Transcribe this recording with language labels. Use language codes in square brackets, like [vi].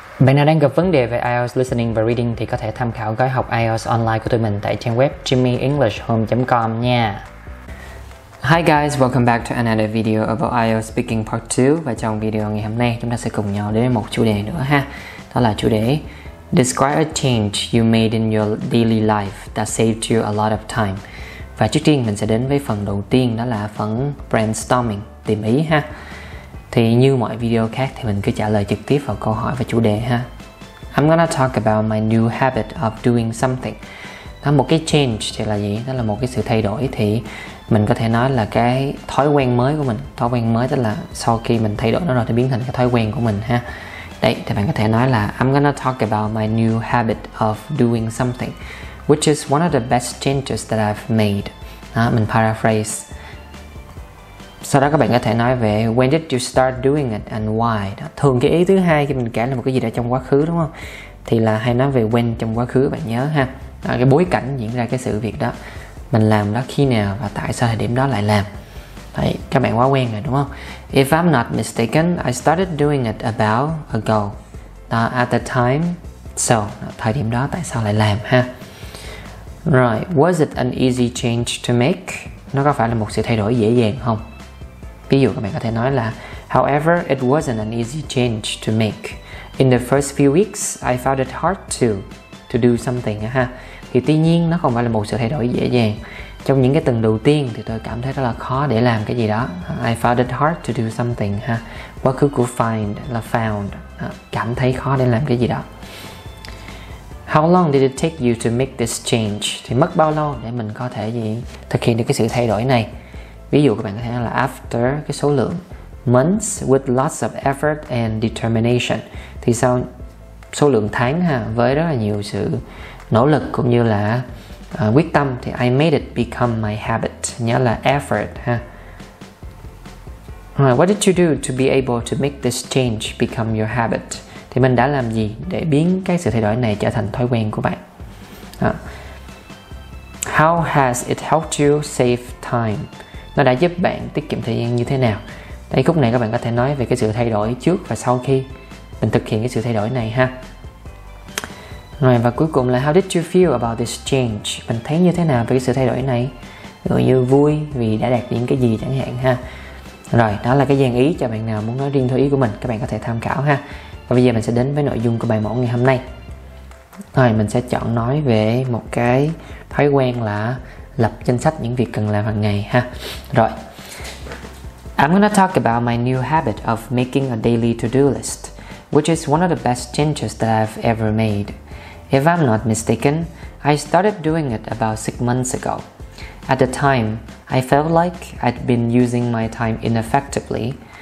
[vi] Bạn nào đang gặp vấn đề về IELTS Listening và Reading thì có thể tham khảo gói học IELTS online của tụi mình tại trang web jimmyenglishhome.com nha. [en] Hi guys, welcome back to another video about IELTS Speaking Part 2. [vi] Và trong video ngày hôm nay chúng ta sẽ cùng nhau đến với một chủ đề nữa ha. Đó là chủ đề [en] Describe a change you made in your daily life that saved you a lot of time. [vi] Và trước tiên mình sẽ đến với phần đầu tiên, đó là phần brainstorming, tìm ý ha. Thì như mọi video khác thì mình cứ trả lời trực tiếp vào câu hỏi và chủ đề ha. [en] I'm gonna talk about my new habit of doing something. [vi] Đó, một cái change thì là gì? Đó là một cái sự thay đổi. Thì mình có thể nói là cái thói quen mới của mình. Thói quen mới tức là sau khi mình thay đổi nó rồi thì biến thành cái thói quen của mình ha. Đấy, thì bạn có thể nói là [en] I'm gonna talk about my new habit of doing something, which is one of the best changes that I've made. [vi] Đó, mình paraphrase. Sau đó các bạn có thể nói về [en] when did you start doing it and why. [vi] Đó, thường cái ý thứ hai khi mình kể là một cái gì đó trong quá khứ đúng không, thì là hay nói về when trong quá khứ, bạn nhớ ha. Đó, cái bối cảnh diễn ra cái sự việc đó, mình làm đó khi nào và tại sao thời điểm đó lại làm. Đấy, các bạn quá quen rồi đúng không? [en] If I'm not mistaken, I started doing it about ago. [vi] Đó, [en] at the time, [vi] so đó, thời điểm đó tại sao lại làm ha. [en] Right, was it an easy change to make? [vi] Nó có phải là một sự thay đổi dễ dàng không? Ví dụ các bạn có thể nói là [en] however, it wasn't an easy change to make. In the first few weeks, I found it hard to do something ha. [vi] Thì tuy nhiên nó không phải là một sự thay đổi dễ dàng. Trong những cái tuần đầu tiên thì tôi cảm thấy rất là khó để làm cái gì đó. [en] I found it hard to do something [vi] ha. Quá khứ của find là found, cảm thấy khó để làm cái gì đó. [en] How long did it take you to make this change? [vi] Thì mất bao lâu để mình có thể gì thực hiện được cái sự thay đổi này. Ví dụ các bạn có thể nói là after cái số lượng [en] months with lots of effort and determination. [vi] Thì sau số lượng tháng ha, với rất là nhiều sự nỗ lực cũng như là quyết tâm, thì [en] I made it become my habit. [vi] Nhớ là effort ha. [en] Right, what did you do to be able to make this change become your habit? [vi] Thì mình đã làm gì để biến cái sự thay đổi này trở thành thói quen của bạn? [en] How has it helped you save time? [vi] Nó đã giúp bạn tiết kiệm thời gian như thế nào? Đây, khúc này các bạn có thể nói về cái sự thay đổi trước và sau khi mình thực hiện cái sự thay đổi này ha. Rồi và cuối cùng là [en] how did you feel about this change? [vi] Mình thấy như thế nào về cái sự thay đổi này? Gọi như vui vì đã đạt những cái gì chẳng hạn ha. Rồi, đó là cái dàn ý cho bạn nào muốn nói riêng thôi ý của mình, các bạn có thể tham khảo ha. Và bây giờ mình sẽ đến với nội dung của bài mẫu ngày hôm nay. Rồi, mình sẽ chọn nói về một cái thói quen là lập danh sách những việc cần làm hàng ngày ha. Rồi. [en] I'm gonna talk about my new habit of making a daily to-do list, which is one of the best changes that I've ever made. If I'm not mistaken, I started doing it about 6 months ago. At the time, I felt like I'd been using my time ineffectively.